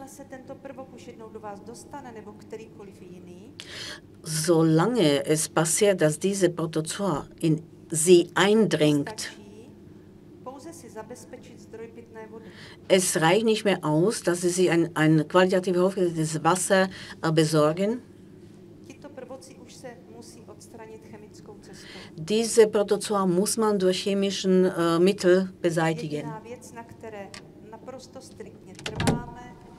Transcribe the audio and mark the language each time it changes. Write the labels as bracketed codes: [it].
[cs] Tento prvok už jednou do vás dostane nebo kterýkoliv jiný. [de] Solange es passiert, dass diese Protozoa in sie eindringt, [cs] pouze si zabezpečit zdroj pitné vody. [de] Es reicht nicht mehr aus, dass sie sich ein qualitativ hochwertiges Wasser besorgen. [cs] Tito prvoci už se musí odstranit chemickou cestou. [de] Diese Protozoa muss man durch chemischen Mittel beseitigen. [cs] Jediná věc, na které naprosto striktně trváme,